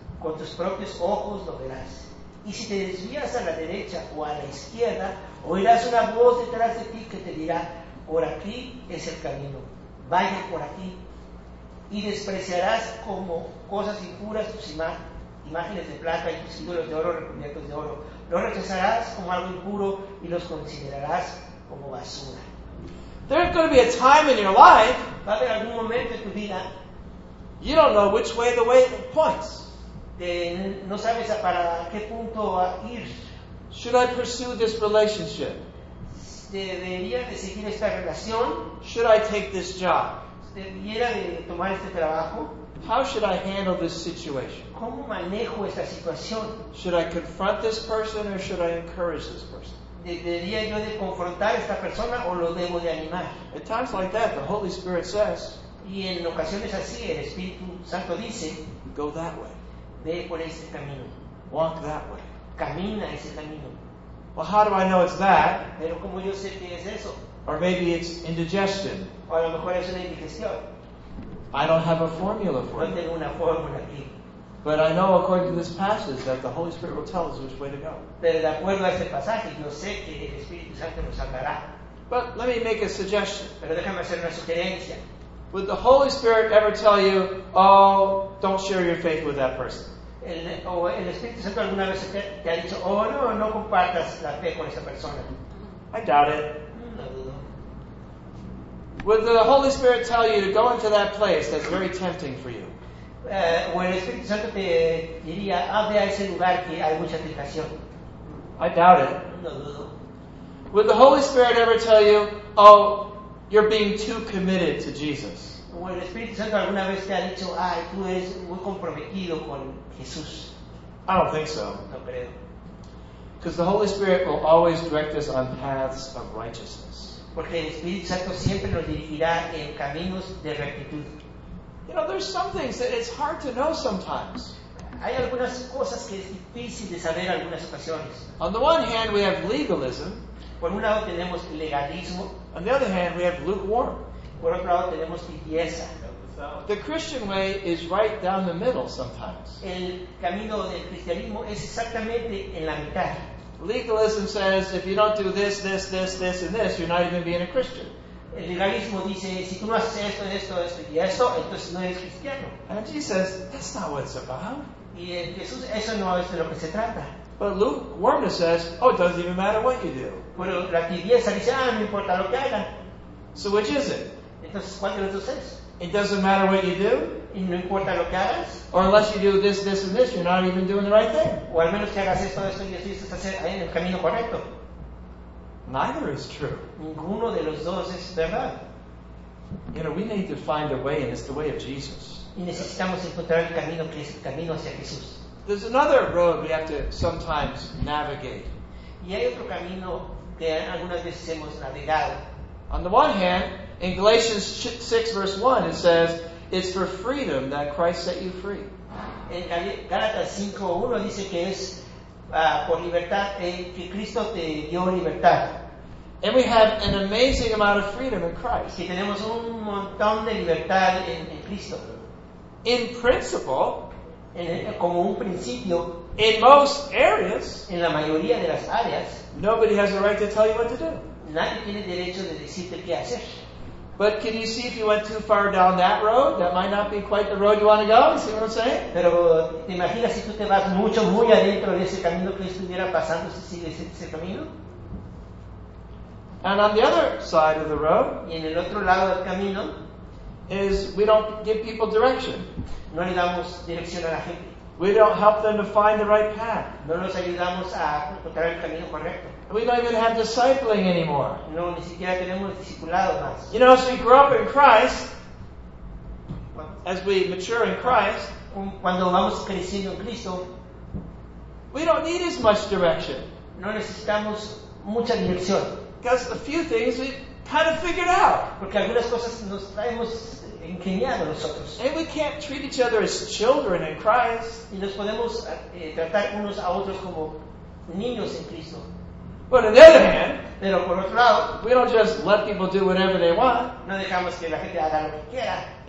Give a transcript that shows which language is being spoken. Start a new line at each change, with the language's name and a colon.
Spanish: Con tus propios ojos lo verás. Y si te desvías a la derecha o a la izquierda, oirás una voz detrás de ti que te dirá, por aquí es el camino, vaya por aquí. Y despreciarás como cosas impuras tus imágenes. imágenes de plata y tus ídolos de oro recubiertos de oro. Los rechazarás como algo impuro y los considerarás como basura.
English: There's going to be a time in your life.
Spanish: Va a haber algún momento en tu vida.
English: You don't know which way the way points.
Spanish: No sabes para qué punto ir.
English: Should I pursue this relationship?
Spanish: ¿Debería de seguir esta relación?
English: Should I take this job?
Spanish: ¿Debería de tomar este trabajo?
English: How should I handle this situation?
Spanish: ¿Cómo manejo esta situación?
English: Should I confront this person or should I encourage this person?
Spanish: ¿Debería yo de confrontar a esta persona o lo debo de animar?
English: At times like that, the Holy Spirit says,
Spanish: y en ocasiones así, el Espíritu Santo dice,
English: go that way.
Spanish: Ve por ese camino.
English: Walk that way.
Spanish: Camina ese camino.
English: Well, how do I know it's that?
Spanish: Pero ¿cómo yo sé que es eso?
English: Or maybe it's indigestion.
Spanish: O a lo mejor es una indigestión.
English: I don't have a formula for it.
Spanish: No tengo una fórmula aquí.
English: But I know according to this passage that the Holy Spirit will tell us which way to go.
Spanish: Pero de acuerdo a este pasaje, yo sé que el Espíritu Santo nos hablará.
English: But let me make a suggestion.
Spanish: Pero déjame hacer una sugerencia.
English: Would the Holy Spirit ever tell you, oh, don't share your faith with that person?
Spanish: El Espíritu Santo alguna vez te ha dicho, oh, no compartas la fe con esa persona.
English: I doubt it. Would the Holy Spirit tell you to go into that place that's very tempting for you?
Spanish: El Espíritu Santo te diría, ve a ese lugar que hay mucha tentación.
English: I doubt it.
Spanish: No dudo.
English: Would the Holy Spirit ever tell you, oh, you're being too committed to Jesus?
Spanish: El Espíritu Santo alguna vez te ha dicho, ay, tú eres muy comprometido con Jesús.
English: I don't think so.
Spanish: No creo.
English: Because the Holy Spirit will always direct us on paths of righteousness.
Spanish: Porque el Espíritu Santo siempre nos dirigirá en caminos de rectitud.
English: You know, there's some things that it's hard to know sometimes.
Spanish: Hay algunas cosas que es difícil de saber en algunas ocasiones.
English: On the one hand, we have legalism.
Spanish: Por un lado tenemos legalismo.
English: On the other hand, we have lukewarm.
Spanish: Por otro lado tenemos tibieza.
English: The Christian way is right down the middle sometimes.
Spanish: El camino del cristianismo es exactamente en la mitad.
English: Legalism says if you don't do this, this, this, this, and this, you're not even being a Christian.
Spanish: El legalismo dice si tú no haces esto, esto, esto y esto, entonces no eres cristiano.
English: And Jesus says that's not what it's about.
Spanish: Y Jesús, eso no es de lo que se trata.
English: But lukewarmness says, oh, it doesn't even matter what you do.
Spanish: Pero la tibieza dice, no importa lo que haga.
English: So which is it?
Spanish: Entonces, ¿cuál de los dos es?
English: It doesn't matter what you do.
Spanish: Y no importa lo que hagas.
English: Or unless you do this, this, and this, you're not even doing the right thing.
Spanish: O al menos que hagas esto, esto y esto, estás en el camino correcto.
English: Neither is true.
Spanish: Ninguno de los dos es verdad.
English: You know, we need to find a way, and it's the way of Jesus.
Spanish: Y necesitamos encontrar el camino que es el camino hacia Jesús.
English: There's another road we have to sometimes navigate.
Spanish: Y hay otro camino que algunas veces hemos navegado.
English: On the one hand, in Galatians 6 verse 1, it says, it's for freedom that Christ set you free.
Spanish: En Gálatas 5:1 dice que es por libertad, que Cristo te dio libertad.
English: And we have an amazing amount of freedom in Christ.
Spanish: Que tenemos un montón de libertad en Cristo.
English: In principle,
Spanish: como un principio,
English: in most areas,
Spanish: en la mayoría de las áreas,
English: nobody has the right to tell you what to do.
Spanish: Nadie tiene derecho de decirte qué hacer.
English: But can you see if you went too far down that road? That might not be quite the road you want to go. You see what I'm saying?
Spanish: Pero ¿te imaginas si tú te vas mucho, muy adentro de ese camino que estuviera pasando si sigues ese camino?
English: And on the other side of the road,
Spanish: y en el otro lado del camino,
English: is we don't give people direction.
Spanish: No le damos dirección a la gente.
English: We don't help them to find the right path.
Spanish: No los ayudamos a encontrar el camino correcto.
English: We don't even have discipling anymore.
Spanish: No, ni siquiera tenemos discipulado más.
English: You know, as we grow up in Christ, as we mature in Christ,
Spanish: cuando vamos creciendo en Cristo,
English: we don't need as much direction.
Spanish: No necesitamos mucha dirección.
English: Because a few things we kind of figured out.
Spanish: Porque algunas cosas nos traemos.
English: And we can't treat each other as children in Christ.
Spanish: Y nos podemos tratar unos a otros como niños en Cristo.
English: But on the other hand,
Spanish: pero por otro lado,
English: we don't just let people do whatever they want.
Spanish: No dejamos que la gente haga lo que quiera.